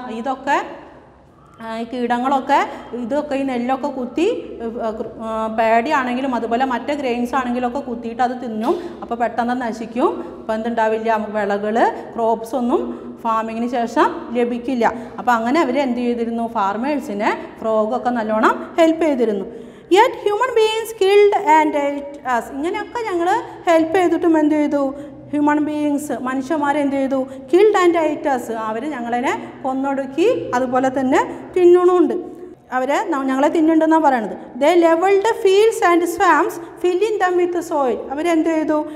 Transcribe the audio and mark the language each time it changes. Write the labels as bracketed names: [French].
[Malayalam] ഇതൊക്കെ ഈ കീടങ്ങളൊക്കെ ഇതൊക്കെ ഈ നെല്ലൊക്കെ കുത്തി പേടിയാണെങ്കിലും അതുപോലെ മറ്റേ ഗ്രെയിൻസ് ആണെങ്കിലുമൊക്കെ കുത്തിയിട്ട് അത് തിന്നും. അപ്പോൾ പെട്ടെന്ന് നശിക്കും. അപ്പോൾ എന്തുണ്ടാവില്ല? വിളകൾ ക്രോപ്സൊന്നും ഫാമിങ്ങിന് ശേഷം ലഭിക്കില്ല. അപ്പോൾ അങ്ങനെ അവർ എന്ത് ചെയ്തിരുന്നു? ഫാർമേഴ്സിനെ ഫ്രോഗൊക്കെ നല്ലോണം ഹെൽപ്പ് ചെയ്തിരുന്നു. [English] Yet human beings killed and ate us. [Malayalam] ഇങ്ങനെയൊക്കെ ഞങ്ങൾ ഹെൽപ്പ് ചെയ്തിട്ടും എന്ത് ചെയ്തു? ഹ്യൂമൺ ബീയിങ്സ് മനുഷ്യന്മാരെന്ത് ചെയ്തു? [English] killed and ate us [Malayalam] അവർ ഞങ്ങളതിനെ കൊന്നൊടുക്കി അതുപോലെ തന്നെ തിന്നണുണ്ട്. അവർ ഞങ്ങളെ തിന്നുണ്ടെന്നാണ് പറയണത്. [English] The levelled fields and swamps filling them with soil. [Malayalam] അവരെന്ത് ചെയ്തു?